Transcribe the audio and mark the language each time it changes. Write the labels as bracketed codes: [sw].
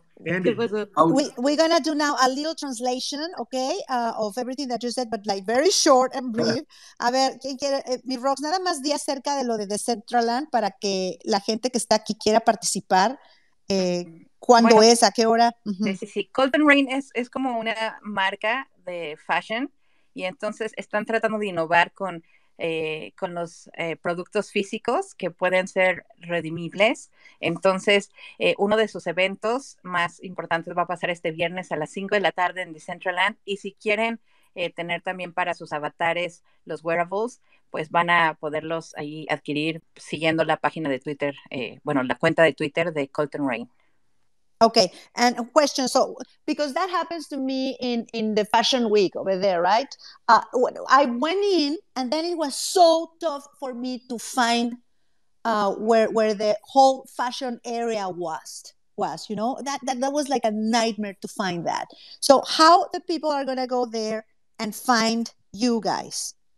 [en] We're going to do now a little translation, okay, of everything that you said, but like very short and brief. [es] A ver, ¿quién quiere? Mi Rox, nada más di acerca de lo de Decentraland para que la gente que está aquí quiera participar. ¿Cuándo es? ¿A qué hora? Sí. Cotton Rain es como una marca de fashion y entonces están tratando de innovar con los productos físicos que pueden ser redimibles. Entonces, uno de sus eventos más importantes va a pasar este viernes a las 5 de la tarde en Decentraland. Y si quieren tener también para sus avatares los wearables, pues van a poderlos ahí adquirir siguiendo la página de Twitter, la cuenta de Twitter de Cotton Rain. [en] Okay, and a question. So, because that happens to me in the fashion week over there, right? I went in, and then it was so tough for me to find where the whole fashion area was. You know, that was like a nightmare to find that. So, how the people are gonna go there and find you guys?